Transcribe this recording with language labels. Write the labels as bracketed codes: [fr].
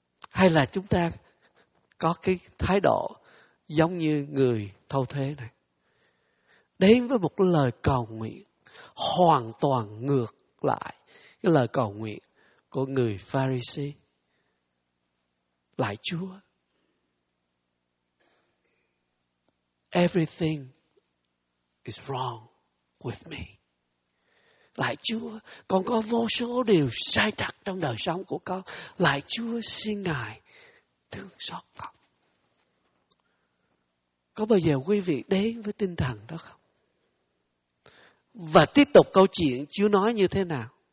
[vi] Hay là chúng ta có cái thái độ giống như người thâu thuế này, đến với một lời cầu nguyện hoàn toàn ngược lại cái lời cầu nguyện của người Pharisee, lại Chúa. [en] Everything is wrong with me. [vi] Lại Chúa, con có vô số điều sai trật trong đời sống của con. Lại Chúa, xin Ngài thương xót con. Có bao giờ quý vị đến với tinh thần đó không? Và tiếp tục câu chuyện Chúa nói như thế nào?